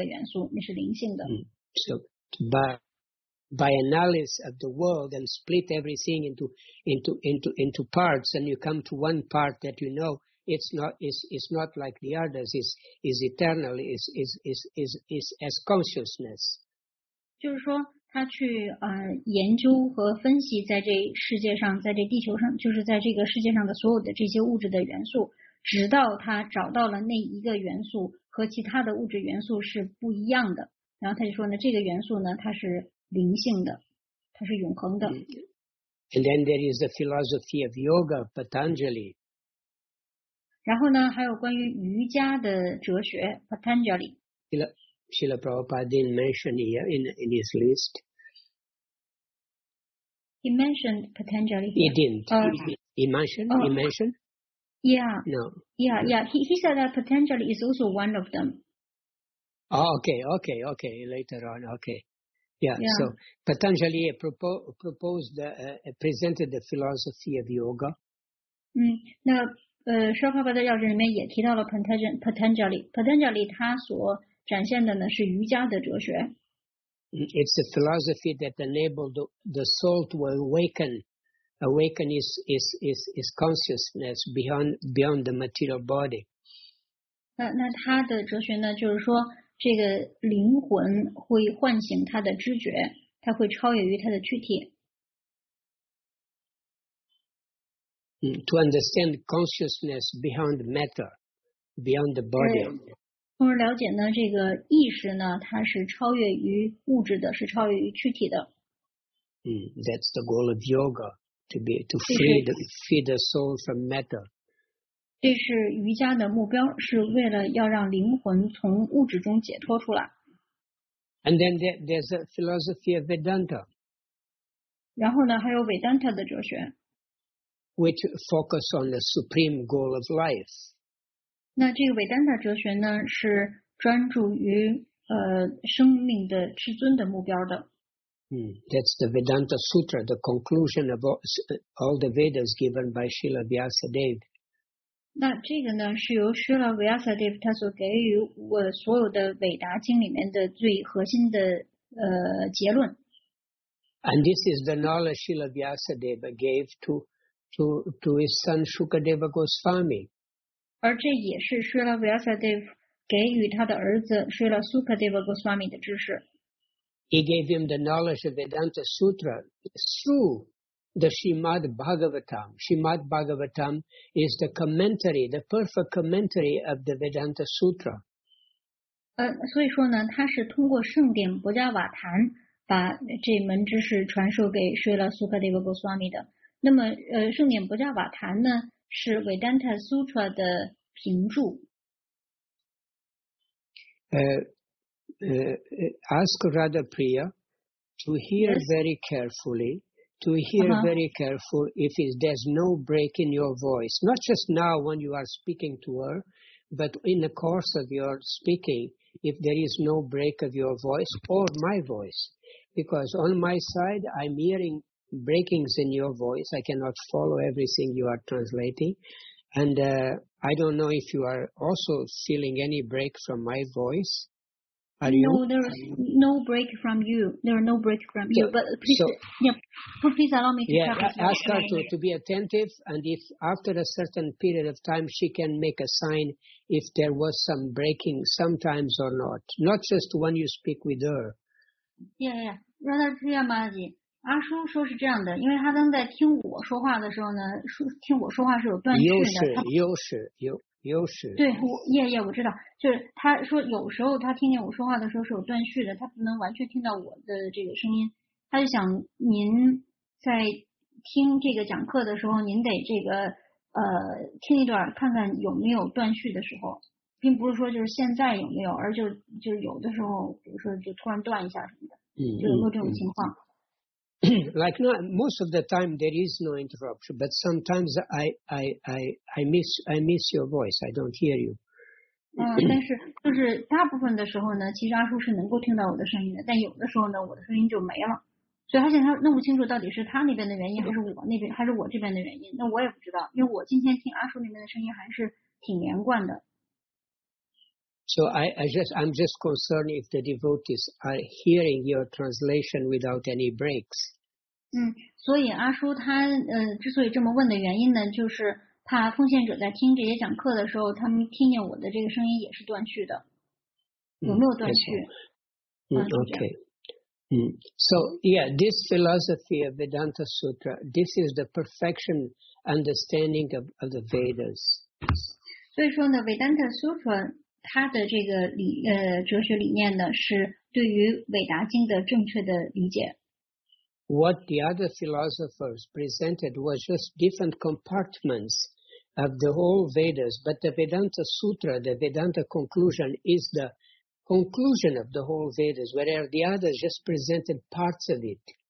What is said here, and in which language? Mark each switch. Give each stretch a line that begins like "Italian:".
Chinese: 就是他在数这24项这个物质元素，然后直到他找到的那一项不是物质的那个元素，那是灵性的。
English: So by analysis of the world and split everything into parts, and you come to one part that you know it's not like the others, is eternal, is as consciousness.
Chinese: 就是说他去研究和分析在这世界上，在这地球上，就是在这个世界上的所有的这些物质的元素，直到他找到了那一个元素和其他的物质元素是不一样的，然后他就说呢，这个元素呢，它是 灵性的，它是永恒的。
English: And then there is the philosophy of yoga, Patanjali.
Chinese: 然后呢，还有关于瑜伽的哲学 Patanjali。
English: Srila Prabhupada didn't mention here in his list. He mentioned Patanjali. He didn't. He mentioned? Yeah. No. Yeah, yeah. He said that Patanjali is also one of them. Oh, okay. Later on, okay. Yeah. So Patanjali presented the philosophy of yoga.
Chinese: 那沙帕巴的要旨里面也提到了 Patanjali 他所展现的呢是瑜伽的哲学。
English: It's a philosophy that enabled the soul to awaken his consciousness beyond the material body.
Chinese: 那他的哲学呢，就是说这个灵魂会唤醒他的知觉，他会超越于他的躯体。
English: To understand consciousness beyond matter, beyond the body.
Chinese: 从而了解呢，这个意识呢，它是超越于物质的，是超越于躯体的。
English: That's the goal of yoga, to free the soul from matter.
Chinese: 这是瑜伽的目标，是为了要让灵魂从物质中解脱出来。
English: And then there's a philosophy of Vedanta.
Chinese: 然后呢，还有 Vedanta 的哲学。
English: Which focus on the supreme goal of life.
Chinese: 那这个维丹塔哲学呢，是专注于生命的至尊的目标的。
English: That's the Vedanta Sutra, the conclusion of all the Vedas given by Srila Vyasadeva.
Chinese: 那这个呢，是由 Srila Vyasadeva 他所给予我所有的伟达经里面的最核心的结论。
English: And this is the knowledge Srila Vyasadeva gave to his son Shukadeva Goswami.
Chinese: 而这也是 Srila Vyasadeva 给予他的儿子 Srila Sukadeva Goswami 的知识。
English: He gave him the knowledge of Vedanta Sutra through the Srimad Bhagavatam. Srimad Bhagavatam is the commentary, the perfect commentary of the Vedanta Sutra.
Chinese: 所以说呢，他是通过圣典博迦瓦坛把这门知识传授给 Srila Sukadeva Goswami 的。那么圣典博迦瓦坛呢是维丹塔苏特的评注。
English: Ask Radha Priya to hear very carefully, to hear very careful if there's no break in your voice, not just now when you are speaking to her, but in the course of your speaking, if there is no break of your voice or my voice, because on my side I'm hearing breakings in your voice. I cannot follow everything you are translating. And I don't know if you are also feeling any break from my voice. Are you? No, there is no break from you. There are no break from you. But please allow me to ask her to be attentive. And if after a certain period of time, she can make a sign if there was some breaking sometimes or not. Not just when you speak with her. Yeah. Radha Priya Maharaji.
Chinese: 阿叔说是这样的，因为他刚在听我说话的时候呢，听我说话是有断句的。优势。对，我知道，就是他说有时候他听见我说话的时候是有断句的，他不能完全听到我的这个声音。他就想您在听这个讲课的时候，您得这个听一段，看看有没有断句的时候，并不是说就是现在有没有，而就有的时候，比如说就突然断一下什么的，就有这种情况。
English: Like no, most of the time there is no interruption, but sometimes I miss your voice. I don't hear you.
Chinese: 但是就是大部分的时候呢，其实阿叔是能够听到我的声音的，但有的时候呢，我的声音就没了。所以他现在弄不清楚到底是他那边的原因，还是我那边，还是我这边的原因。那我也不知道，因为我今天听阿叔那边的声音还是挺连贯的。
English: So I'm just concerned if the devotees are hearing your translation without any breaks.
Chinese: 所以阿叔他之所以这么问的原因呢，就是怕奉献者在听这些讲课的时候，他们听见我的这个声音也是断续的，有没有断续？
English: Okay. So yeah, this philosophy of Vedanta Sutra, this is the perfection understanding of the Vedas.
Chinese: 所以说呢 ，Vedanta Sutra。他的这个哲学理念呢，是对于伟达经的正确的理解。
English: What the other philosophers presented was just different compartments of the whole Vedas, but the Vedanta Sutra, the Vedanta conclusion, is the conclusion of the whole Vedas, whereas the others just presented parts of it.